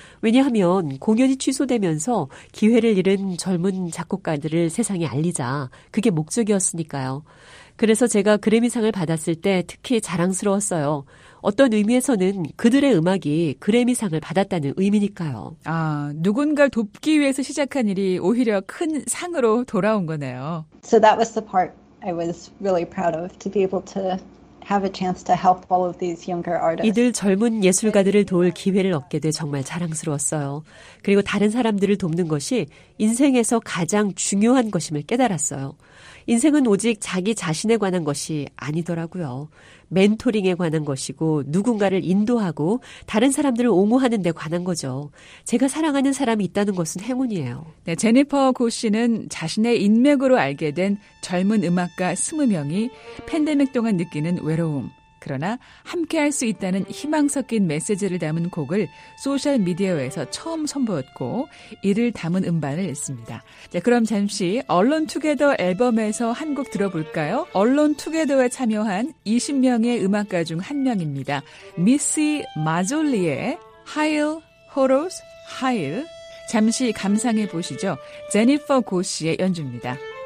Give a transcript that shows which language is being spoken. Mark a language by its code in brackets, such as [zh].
[ko] 왜냐하면 공연이 취소되면서 기회를 잃은 젊은 작곡가들을 세상에 알리자. 그게 목적이었으니까요. 그래서 제가 그래미상을 받았을 때 특히 자랑스러웠어요. 어떤 의미에서는 그들의 음악이 그래미상을 받았다는 의미니까요. 아, 누군가를 돕기 위해서 시작한 일이 오히려 큰 상으로 돌아온 거네요. [en] So that was the part I was really proud of to be able to have a chance to help all of these younger artists. [ko] 이들 젊은 예술가들을 도울 기회를 얻게 돼 정말 자랑스러웠어요. 그리고 다른 사람들을 돕는 것이 인생에서 가장 중요한 것임을 깨달았어요. 인생은 오직 자기 자신에 관한 것이 아니더라고요. 멘토링에 관한 것이고 누군가를 인도하고 다른 사람들을 옹호하는 데 관한 거죠. 제가 사랑하는 사람이 있다는 것은 행운이에요. 네, 제니퍼 고 씨는 자신의 인맥으로 알게 된 젊은 음악가 20명이 팬데믹 동안 느끼는 외로움, 그러나 함께할 수 있다는 희망 섞인 메시지를 담은 곡을 소셜미디어에서 처음 선보였고 이를 담은 음반을 냈습니다. 네, 그럼 잠시 Alone Together 앨범에서 한 곡 들어볼까요? Alone Together에 참여한 20명의 음악가 중 한 명입니다. Missy Mazzoli의 Heil Horos Heil 잠시 감상해 보시죠. 제니퍼 고 씨의 연주입니다.